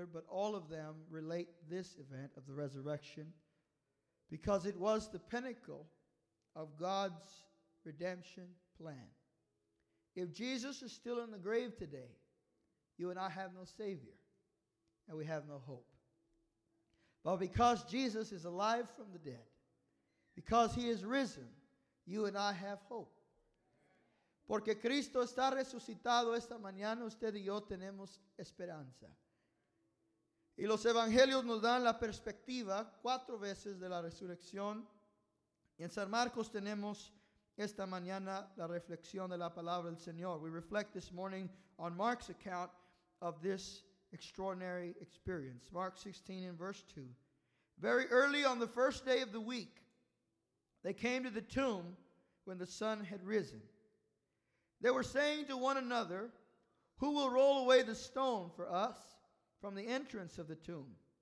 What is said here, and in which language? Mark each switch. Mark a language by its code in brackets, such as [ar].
[en] but all of them relate this event of the resurrection because it was the pinnacle of God's redemption plan. If Jesus is still in the grave today, you and I have no Savior and we have no hope. But because Jesus is alive from the dead, because he is risen, you and I have hope. [es] Porque Cristo está resucitado esta mañana, usted y yo tenemos esperanza. Y los evangelios nos dan la perspectiva cuatro veces de la resurrección. Y en San Marcos tenemos esta mañana la reflexión de la palabra del Señor. [en] We reflect this morning on Mark's account of this extraordinary experience. Mark 16 in verse 2. Very early on the first day of the week, they came to the tomb when the sun had risen. They were saying to one another, "Who will roll away the stone for us from the entrance of the tomb?"